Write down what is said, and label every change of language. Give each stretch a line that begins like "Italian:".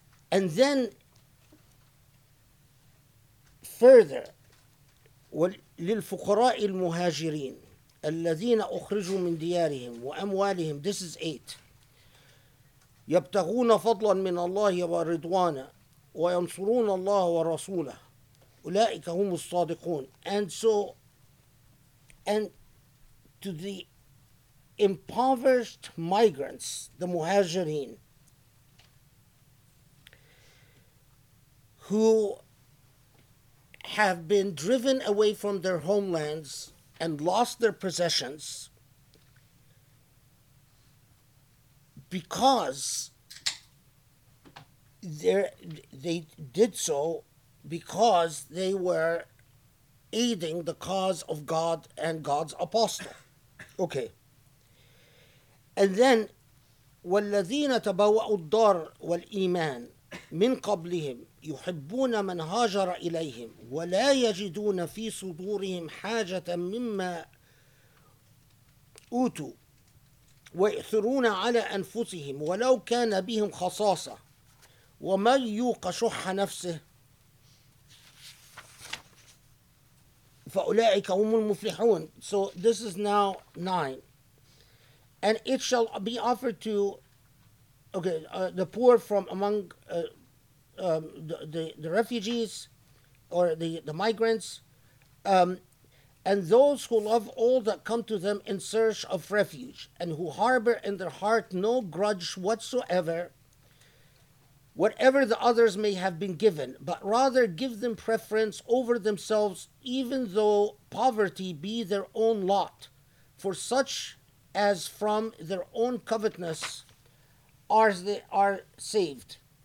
English: And then further,
Arabic: وللفقراء المهاجرين الذين أخرجوا من ديارهم وأموالهم,
English: this is 8,
Arabic: يبتغون فضلا من الله ورضوانا وينصرون الله ورسوله أولئك هم الصادقون.
English: And so, and to the impoverished migrants, the muhajirin, who have been driven away from their homelands and lost their possessions because they did so because they were aiding the cause of God and God's apostle. Okay. And then,
Arabic: وَالَّذِينَ تَبَوَّأُوا الدَّارَ وَالْإِيمَانَ مِنْ قَبْلِهِمْ يحبون من هاجر إليهم ولا يجدون في صدورهم حاجة مما أوتوا ويؤثرون على أنفسهم ولو كان بهم خصاصة ومن يوق شح نفسه فأولئك هم المفلحون.
English: So this is now 9. And it shall be offered to the poor from among the refugees or the migrants, and those who love all that come to them in search of refuge, and who harbor in their heart no grudge whatsoever, whatever the others may have been given, but rather give them preference over themselves, even though poverty be their own lot, for such as from their own covetousness are saved.